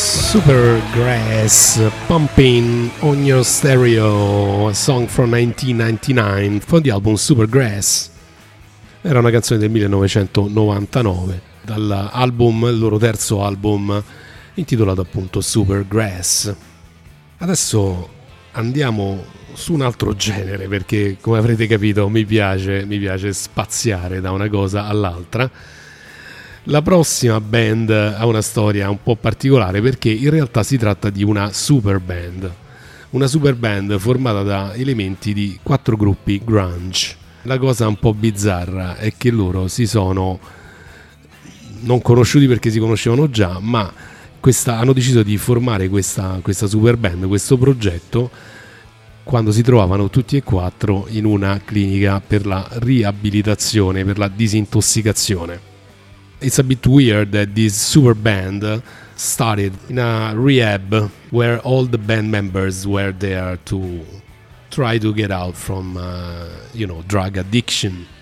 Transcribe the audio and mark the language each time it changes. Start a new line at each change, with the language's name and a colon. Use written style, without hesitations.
English: Supergrass, Pumping on Your Stereo, a song from 1999 from the album Supergrass.
Italian: Era una canzone del 1999 dall'album, il loro terzo album, intitolato appunto Supergrass. Adesso andiamo su un altro genere, perché come avrete capito mi piace spaziare da una cosa all'altra. La prossima band ha una storia un po' particolare, perché in realtà si tratta di una super band formata da elementi di quattro gruppi grunge. La cosa un po' bizzarra è che loro si sono non conosciuti, perché si conoscevano già, ma hanno deciso di formare questa super band, questo progetto, quando si trovavano tutti e quattro in una clinica per la riabilitazione, per la disintossicazione.
English: It's a bit weird that this super band started in a rehab where all the band members were there to try to get out from, drug addiction.